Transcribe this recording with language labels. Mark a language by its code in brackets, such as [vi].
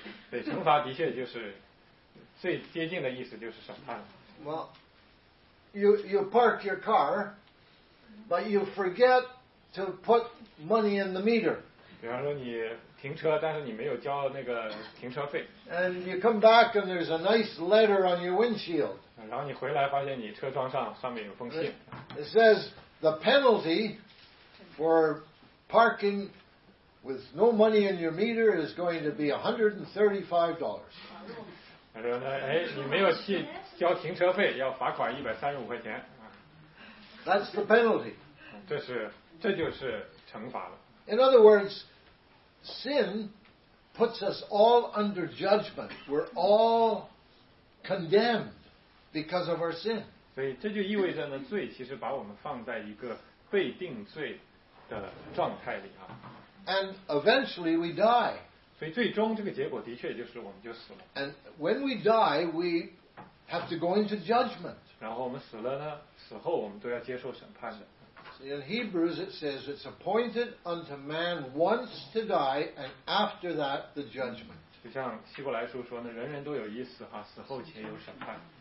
[zh] 对，惩罚的确就是最接近的意思，就是审判。 [en] Well, you park your car, but you forget to put money in the meter. [zh] 比方说你停车，但是你没有交那个停车费。 [en] And you come back and there's a nice letter on your windshield. [zh] 然后你回来发现你车窗上面有封信。 [en] It says the penalty for parking with no money in your meter is going to be $135. [zh] 说呢，哎，你没有去交停车费，要罚款135块钱。 [en] That's the penalty. [zh] 这就是惩罚了。 [en] In other words, sin puts us all under judgment. We're all condemned because of our sin. [zh] 所以这就意味着呢，罪其实把我们放在一个被定罪的状态里啊。 [en] And eventually we die. [zh] 所以最终这个结果的确就是我们就死了。 [en] And when we die, we have to go into judgment. [zh] 然后我们死了呢，死后我们都要接受审判的。 [en] In Hebrews it says it's appointed unto man once to die and after that the judgment. [zh] 就像希伯来书说呢，人人都有一死哈，死后且有审判。